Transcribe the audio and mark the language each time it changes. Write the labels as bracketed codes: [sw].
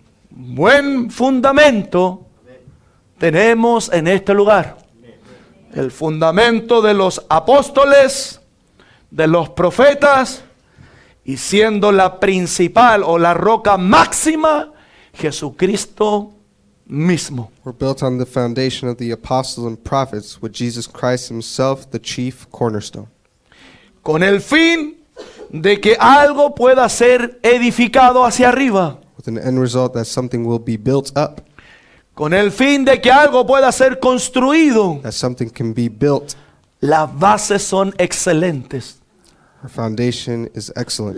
[es] Buen fundamento tenemos en este lugar. El fundamento de los apóstoles, de los profetas, y siendo la principal o la roca máxima, Jesucristo mismo. [en] We're built on the foundation of the apostles and prophets, with Jesus Christ himself the chief cornerstone. [es] Con el fin de que algo pueda ser edificado hacia arriba. [en] With an end result that something will be built up. [es] Con el fin de que algo pueda ser construido. [en] That something can be built. [es] Las bases son excelentes. [en] Our foundation is excellent.